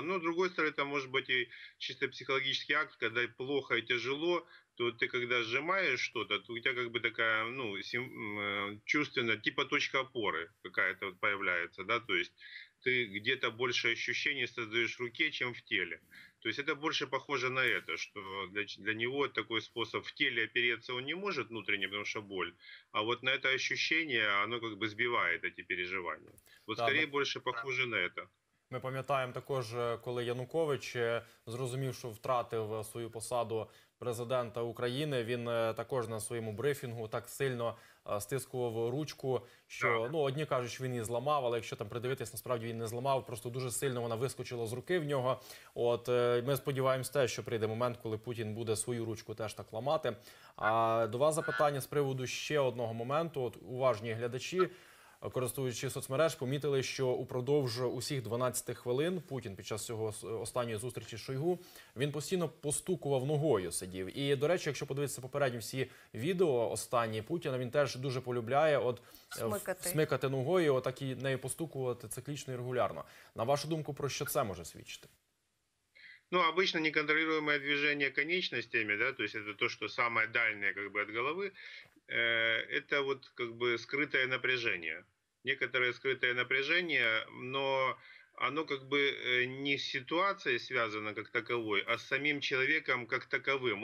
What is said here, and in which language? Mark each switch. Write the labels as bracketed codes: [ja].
[ru] Но, с другой стороны, это может быть и чисто психологический акт, когда плохо и тяжело, то ты когда сжимаешь что-то, то у тебя как бы такая, ну, чувственная, типа точка опоры какая-то появляется, да, то есть ты где-то больше ощущений создаешь в руке, чем в теле. То есть это больше похоже на это, что для него такой способ в теле опереться он не может внутренне, потому что боль, а вот на это ощущение, оно как бы сбивает эти переживания. Вот да, скорее больше похоже на это. [uk] Ми пам'ятаємо також, коли Янукович зрозумів, що втратив свою посаду президента України, він також на своєму брифінгу так сильно стискував ручку, що, ну, одні кажуть, що він її зламав, але якщо там придивитись, насправді він не зламав, просто дуже сильно вона вискочила з руки в нього. От, ми сподіваємося те, що прийде момент, коли Путін буде свою ручку теж так ламати. А до вас запитання з приводу ще одного моменту. От, уважні глядачі, користуючи соцмереж, помітили, що упродовж усіх 12 хвилин Путін під час цього останньої зустрічі з Шойгу, він постійно постукував ногою, сидів. І, до речі, якщо подивитися попередні всі відео останні Путіна, він теж дуже полюбляє от смикати ногою, отак і нею постукувати циклічно і регулярно. На вашу думку, про що це може свідчити? [ru] Ну, обычно неконтролируемое движение конечностями, да, то есть это то, что самое дальнее как бы от головы, это вот как бы скрытое напряжение. Некоторое скрытое напряжение, но оно как бы не с ситуацией связано как таковой, а с самим человеком как таковым.